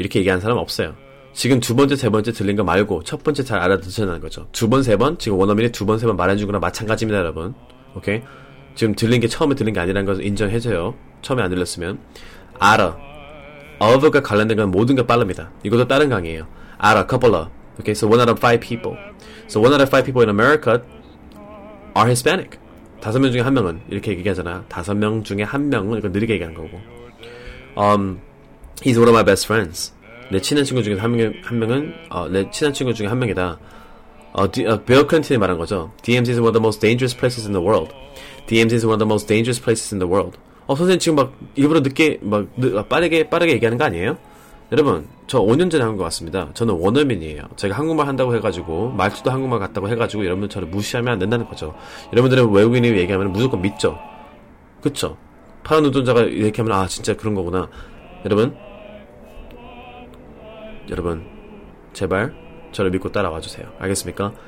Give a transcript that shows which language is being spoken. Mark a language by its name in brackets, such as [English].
[Korean] 이렇게 얘기한 사람 없어요. 지금 두 번째, 세 번째 들린 거 말고 첫 번째 잘 알아듣으셨다는 거죠. 두 번, 세 번, 지금 원어민이 두 번, 세 번 말해준 거랑 마찬가지입니다, 여러분. 오케이? 지금 들린 게 처음에 들린 게 아니라는 것을 인정해줘요. 처음에 안 들렸으면. 알아. of가 관련된 건 모든 게 빠릅니다. 이것도 다른 강의예요. 알아. [English] couple of. Okay, so one out of five people. So one out of five people in America are Hispanic. [Korean] 다섯 명 중에 한 명은. 이렇게 얘기하잖아. 다섯 명 중에 한 명은. 이거 느리게 얘기한 거고. [English] He's one of my best friends. [Korean] 내 친한 친구 중에 한 명은, 내 친한 친구 중에 한 명이다. Bill Clinton이 말한 거죠. [English] DMZ is one of the most dangerous places in the world. DMZ is one of the most dangerous places in the world. [Korean] 선생님 지금 막 일부러 늦게 막 빠르게 얘기하는 거 아니에요? 여러분 저 5년 전에 한국에 왔습니다. 저는 원어민이에요. 제가 한국말 한다고 해가지고 말투도 한국말 같다고 해가지고 여러분 저를 무시하면 안 된다는 거죠. 여러분들은 외국인이 얘기하면 무조건 믿죠. 그쵸? 파란 노동자가 이렇게 하면 아 진짜 그런 거구나. 여러분 제발 저를 믿고 따라와 주세요. 알겠습니까?